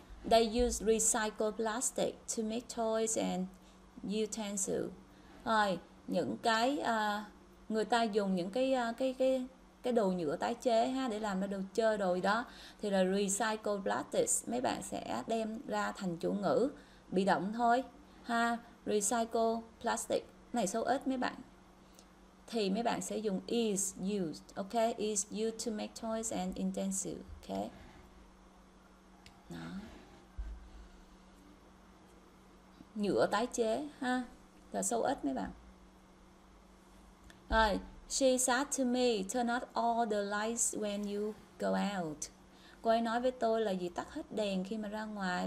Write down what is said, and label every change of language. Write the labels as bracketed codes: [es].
[en] They use recycled plastic to make toys and utensils. [vi] Rồi những cái người ta dùng những cái đồ nhựa tái chế ha, để làm ra đồ chơi rồi đó, thì là [en] recycle plastics, [vi] mấy bạn sẽ đem ra thành chủ ngữ bị động thôi ha. [en] Recycle plastic [vi] này số ít mấy bạn, thì mấy bạn sẽ dùng [en] is used, ok, is used to make toys and utensils, ok. Đó. [vi] Nhựa tái chế ha, là số ít mấy bạn. [en] Rồi she said to me, turn out all the lights when you go out. [vi] Cô ấy nói với tôi là gì, tắt hết đèn khi mà ra ngoài.